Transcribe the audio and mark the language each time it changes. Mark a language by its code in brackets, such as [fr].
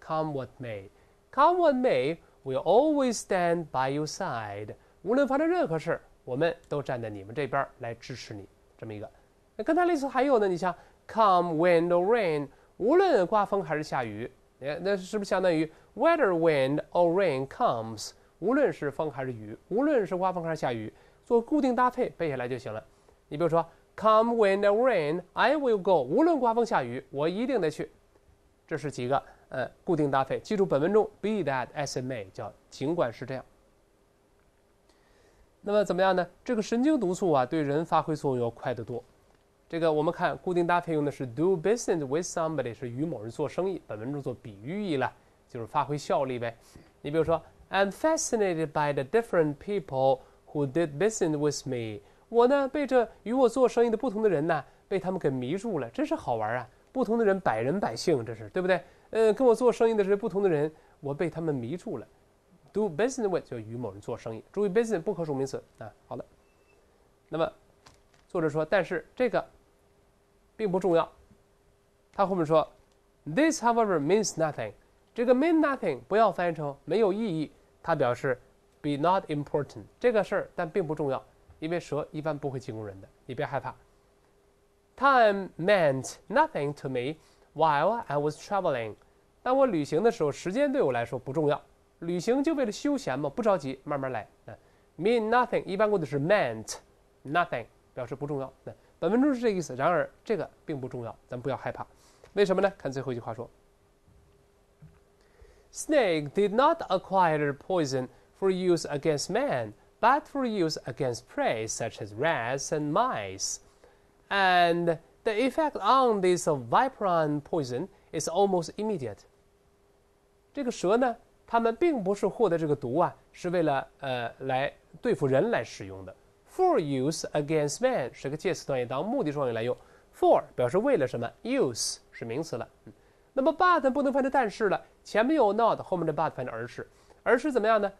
[en] Come what may, come what may, we'll always stand by your side. [zh] 无论发生任何事，我们都站在你们这边来支持你，这么一个。那跟它类似还有呢，你像 come wind or rain， 无论刮风还是下雨，那是不是相当于 [en] whether wind or rain comes， [zh] 无论是风还是雨，无论是刮风还是下雨，做固定搭配背下来就行了。你比如说 [en] come wind or rain I will go， [zh] 无论刮风下雨我一定得去，这是几个固定搭配。记住本文中 be that as it may 叫尽管是这样。那么怎么样呢？这个神经毒素啊，对人发挥作用要快得多。这个我们看固定搭配用的是 do business with somebody， 是与某人做生意。本文中做比喻意了，就是发挥效力呗。你比如说 [en] ，I'm fascinated by the different people who did business with me。 [zh] 我呢被这与我做生意的不同的人呢，被他们给迷住了，真是好玩啊！不同的人，百人百姓，这是对不对？跟我做生意的这些不同的人，我被他们迷住了。 Do business with 就与某人做生意，注意 business 不可数名词啊。好的，那么作者说，但是这个并不重要。他后面说 ， [en] This however means nothing。 [zh] 这个 mean nothing 不要翻译成没有意义，他表示 be not important 这个事儿，但并不重要，因为蛇一般不会进攻人的，你别害怕。 [en] Time meant nothing to me while I was traveling。 [zh] 当我旅行的时候，时间对我来说不重要。旅行就为了休闲嘛，不着急，慢慢来。 Mean nothing 一般过的是 meant nothing， 表示不重要。本文中是这个意思，然而这个并不重要，咱们不要害怕。为什么呢？看最后一句话说 [en] ：Snake did not acquire poison for use against man, but for use against prey such as rats and mice. And the effect on this viperine poison is almost immediate. [zh] 这个蛇呢？他们并不是获得这个毒啊，是为了来对付人来使用的。 For use against man 是个介词短语，当目的状语来用。 For 表示为了什么 ，use 是名词了。那么 but 不能翻译成但是了，前面有 not， 后面的 but 翻译成而是。而是怎么样呢？